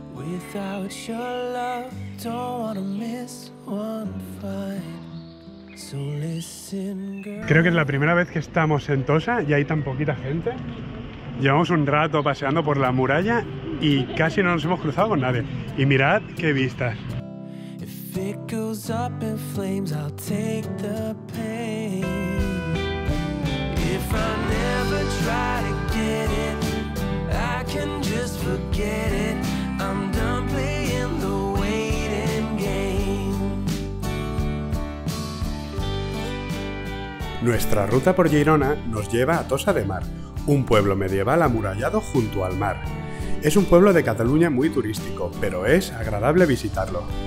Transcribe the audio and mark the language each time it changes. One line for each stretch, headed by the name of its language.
English: Without your love, don't wanna miss one fight. So listen, girl.
Spanish: Creo que es la primera vez que estamos en Tosa y hay tan poquita gente. Llevamos un rato paseando por la muralla y casi no nos hemos cruzado con nadie. Y mirad qué vistas.
English: If it goes up in flames, I'll take the pain. If I never try to get it, I can just forget it. I'm done playing the waiting game.
Spanish: Nuestra ruta por Girona nos lleva a Tossa de Mar, un pueblo medieval amurallado junto al mar. Es un pueblo de Cataluña muy turístico, pero es agradable visitarlo.